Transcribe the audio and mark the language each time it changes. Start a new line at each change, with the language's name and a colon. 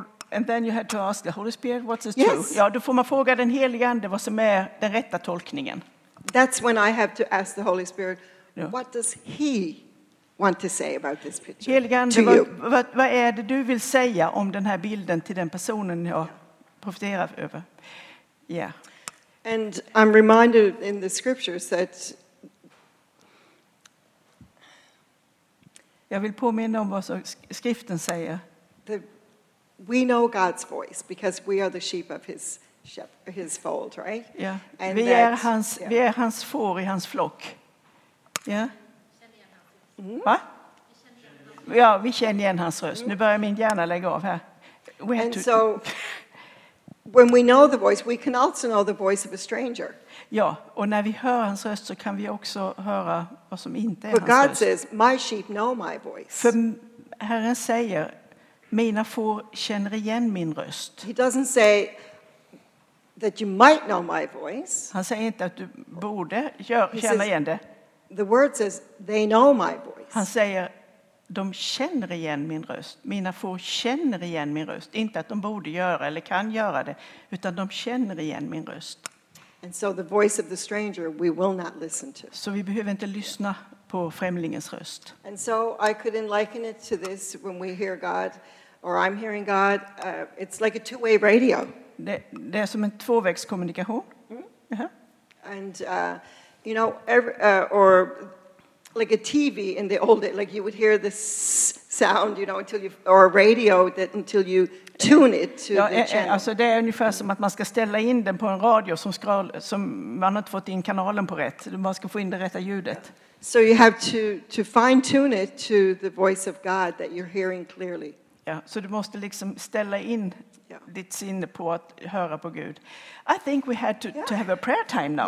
English: And then you had to ask the Holy Spirit what's the truth.
Swedish: Ja, då får man fråga den heliga ande vad som är den rätta tolkningen.
English: That's when I have to ask the Holy Spirit what does he want to say about this picture.
Swedish: Heliga ande, vad är det du vill säga om den här bilden till den personen jag profeterar över?
English: Yeah. And I'm reminded in the scriptures that
Swedish: jag vill påminna om vad skriften säger.
English: We know God's voice because we are the sheep of his fold, right? Yeah.
Swedish: And vi är hans får i hans flock.
English: Yeah.
Swedish: Mm. Va? Ja, vi känner igen hans röst. Mm. Nu börjar min hjärna lägga av här.
English: So when we know the voice, we can also know the voice of a stranger.
Swedish: Ja, och när vi hör hans röst så kan vi också höra vad som inte är
English: but
Swedish: hans
English: God
Swedish: röst.
English: Says, my sheep know my voice.
Swedish: För Herren säger mina får känner igen min röst.
English: He doesn't say that you might know my voice.
Swedish: Han säger inte att du borde känna igen det.
English: The word says they know my voice.
Swedish: Han säger de känner igen min röst. Mina får känner igen min röst. Inte att de borde göra eller kan göra det, utan de känner igen min röst.
English: And so the voice of the stranger we will not listen to.
Swedish: Så vi behöver inte lyssna på främlingens röst.
English: And so I could liken it to this when we hear God or I'm hearing God, it's like a two-way radio.
Swedish: Det är som en tvåvägskommunikation.
English: And you know or like a TV in the old days, like you would hear this sound, you know, until you or a radio that until you tune it to the channel.
Swedish: Alltså det är ungefär som att man ska ställa in den på en radio som man har inte fått in kanalen på rätt. Man ska få in det rätta ljudet.
English: So you have to fine tune it to the voice of God that you're hearing clearly.
Swedish: Ja, så du måste liksom ställa in ditt sinne på att höra på Gud.
English: I think we had to have a prayer time now.